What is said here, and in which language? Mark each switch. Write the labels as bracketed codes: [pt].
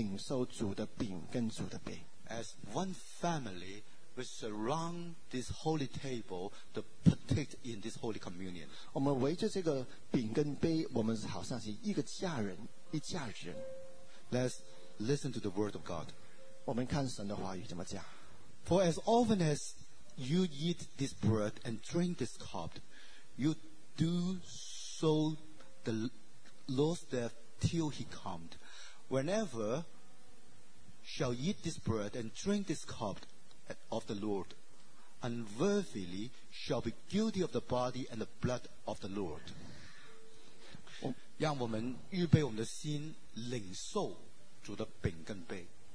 [zh] 我们现在讲完到我们一同的来领受主的饼跟主的杯。 [en] As one family, we surround this holy table to partake in this holy communion. [zh] 我们围着这个饼跟杯，我们好像是一个家人，一家人。 [en] Let's listen to the word of God. [zh] 我们看神的话语怎么讲。 [en] For as often as you eat this bread and drink this cup, you do so the Lord's death till he comes. Whenever shall eat this bread and drink this cup of the Lord, unworthily shall be guilty of the body and the blood of the Lord. [zh] 让我们预备我们的心，领受主的饼跟杯。